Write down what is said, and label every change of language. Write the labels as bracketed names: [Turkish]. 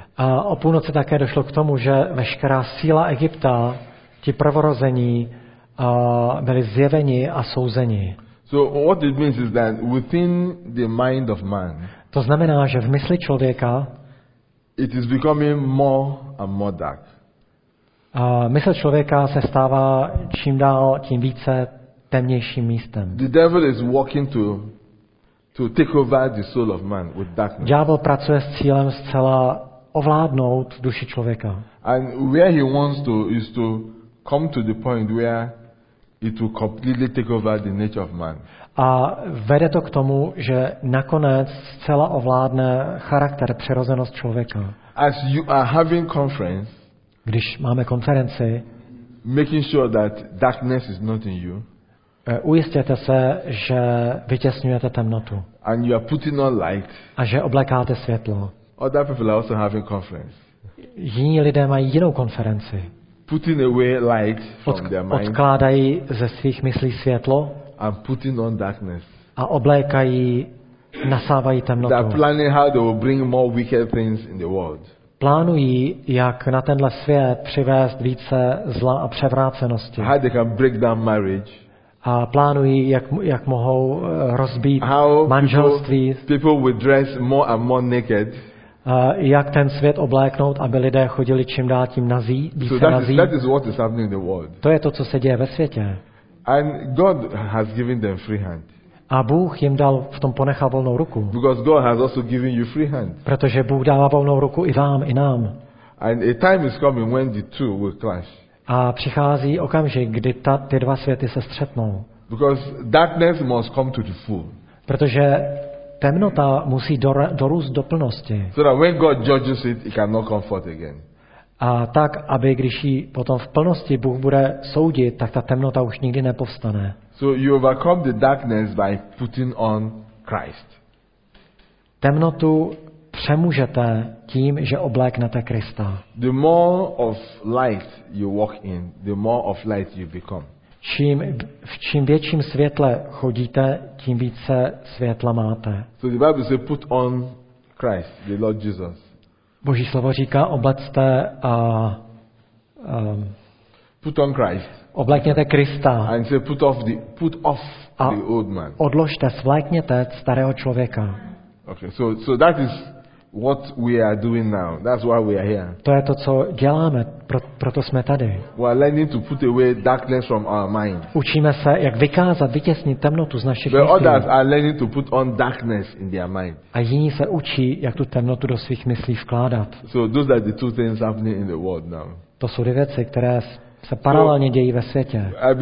[Czech] A o půlnoci také došlo k tomu, že veškerá síla Egypta, ti prvorození, byli zjeveni a souzeni. [English] So what it means is that within the mind of man. [Czech] To znamená, že v mysli člověka [English] it is becoming more and more dark. [Czech] A mysl člověka se stává čím dál tím více temnějším místem. [English] The devil is working to take over the soul of man with darkness. [Czech] Ďábel pracuje s cílem zcela ovládnout duši člověka. [English] And where he wants to is to come to the point where it will completely take over the nature of man. [Czech] A vede to k tomu, že nakonec zcela ovládne charakter, přirozenost člověka. [English] As you are having conference, [Czech] když máme konferenci, [English] making sure that darkness is not in you, [Czech] Ujistěte se, že vytěsňujete temnotu. [English] And you are putting on light. [Czech] A že oblékáte světlo. [English] Other people are also having conference. [Czech] Jiní lidé mají jinou konferenci. [English] Putting away light from their mind. [Czech] Odkládají ze svých myslí světlo. [English] And putting on darkness. [Czech] A oblékají, nasávají temnotu. [English] They are planning how they will bring more wicked things in the world. [Czech] Plánují, jak na tenhle svět přivést více zla a převrácenosti. [English] How they can break down marriage. [Czech] A plánují, jak mohou rozbít [English] how [Czech] manželství. [English] People will dress more and more naked. [Czech] Jak ten svět obléknout, aby lidé chodili čím dál tím nazí, více so nazí. To je to, co se děje ve světě. [English] And God has given them free hand. [Czech] A Bůh jim dal v tom ponechal volnou ruku. [English] Because God has also given you free hand. [Czech] Protože Bůh dává volnou ruku i vám, i nám. [English] And a time is coming when the two will clash. [Czech] A přichází okamžik, kdy ty dva světy se střetnou. [English] Because darkness must come to the full. [Czech] Protože temnota musí dorůst do plnosti. [English] So that when God judges it, it cannot come forth again. [Czech] A tak, aby když ji potom v plnosti Bůh bude soudit, tak ta temnota už nikdy nepovstane. [English] So you overcome the darkness by putting on Christ. [Czech] Temnotu přemůžete tím, že obléknete Krista. [English] The more of light you walk in, the more of light you become. [Czech] Čím větším světle chodíte, tím více světla máte. [English] So the Bible says put on Christ, the Lord Jesus. [Czech] Boží slovo říká obleckte a [English] put on Christ. [Czech] Oblékněte Krista. [English] And say put off a the old man. [Czech] Odložte, svléknete starého člověka. [English] Okay, so that is what we are doing now. That's why we are here. [Czech] To je to, co děláme, proto jsme tady. [English] We are learning to put away darkness from our mind. [Czech] Učíme se, jak vykázat, vytěsnit temnotu z našich [English] myslí. But others are learning to put on darkness in their mind. [Czech] A jiní se učí, jak tu temnotu do svých myslí vkládat. [English] So those are the two things happening in the world now. [Czech] To jsou dvě věci, které se paralelně dějí ve světě.